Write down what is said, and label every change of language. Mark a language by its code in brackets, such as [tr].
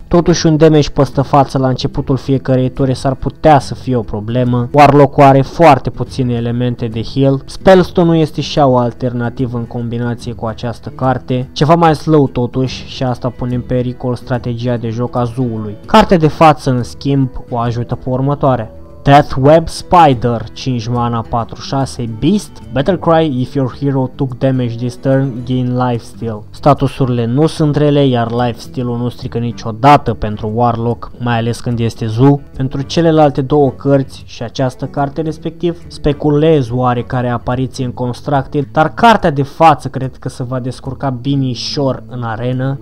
[ro] Totuși un damage păstă față la începutul fiecărei ture s-ar putea să fie o problemă. Warlock-ul are foarte puține elemente de heal. Spellstone-ul este și o alternativă în combinație cu această carte. Ceva mai slow totuși și asta pune în pericol strategia de joc a Zoo-ului. Cartea de față în schimb o ajută pe următoare. [en] Deathweb Spider, 5 mana 4-6, Beast, Battlecry, if your hero took damage this turn, gain lifesteal. [ro] Statusurile nu sunt rele, iar lifesteal-ul nu strică niciodată pentru Warlock, mai ales când este Zoo. Pentru celelalte două cărți și această carte respectiv, speculez oarecare apariție în Constructed, dar cartea de față cred că se va descurca binișor în arenă.